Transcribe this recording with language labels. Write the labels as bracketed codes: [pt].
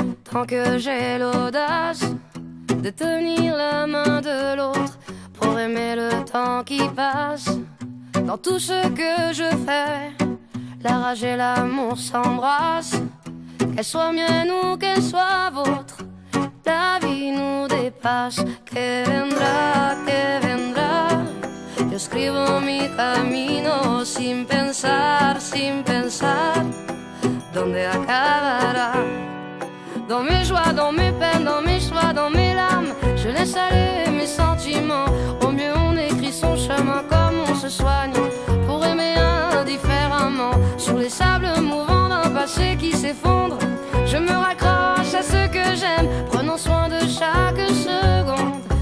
[fr] quand que j'ai l'audace de tenir la main de l'autre pour aimer le temps qui passe. Dans tout ce que je fais, la rage et l'amour s'embrassent. Qu'elle soit mienne ou qu'elle soit vôtre, la vie nous dépasse. [es] Que vendra, que vendra. Yo escribo mi camino sin pensar, sin pensar. Donde acabará. [fr] Dans mes joies, dans mes peines, dans mes choix, dans mes larmes, je laisse aller mes sentiments. Au mieux on écrit son chemin comme on se soigne pour aimer indifféremment. Sur les sables mouvants d'un passé qui s'effondre, je me raccroche à ce que j'aime, prenant soin de chaque seconde.